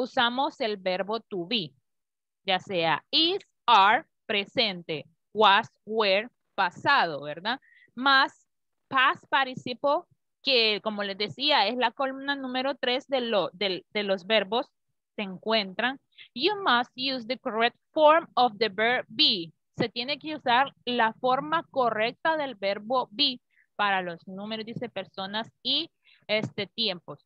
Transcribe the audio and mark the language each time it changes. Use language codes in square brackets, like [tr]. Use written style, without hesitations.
[es] Usamos el verbo to be, ya sea is, are, presente, was, were, pasado, ¿verdad? Más past participle, que como les decía, es la columna número 3 de los verbos, se encuentran. [en] You must use the correct form of the verb be. [es] Se tiene que usar la forma correcta del verbo be para los números, dice, personas y tiempos.